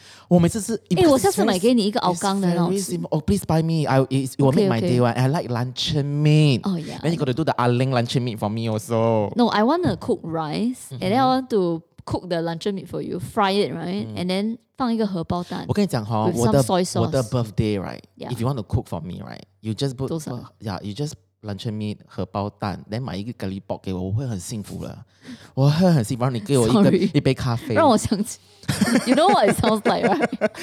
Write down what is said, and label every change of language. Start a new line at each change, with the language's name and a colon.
Chinese: 我每次是，我下次买给你一个熬钢的，很好吃。
English: Oh, please buy me. It will make my day. I like luncheon meat. Oh, yeah. Then you got to do the aling luncheon meat for me also. No, I want to cook rice. And then I want to cook the luncheon meat for you, fry it, right? Mm. And then
Chinese: 放一个荷包蛋. 我跟你讲,
English: with some soy sauce.
Chinese: 我的
English: birthday, right? Yeah. If you want to cook for me, right? You just put, yeah, you just luncheon meat,
Chinese: 荷包蛋,
English: then
Chinese: 买一个
English: curry pot
Chinese: 给我, 我会很幸福了. 我会很幸福, 然后你给我一杯咖啡. 让我想起,
English: you know what it sounds like, right?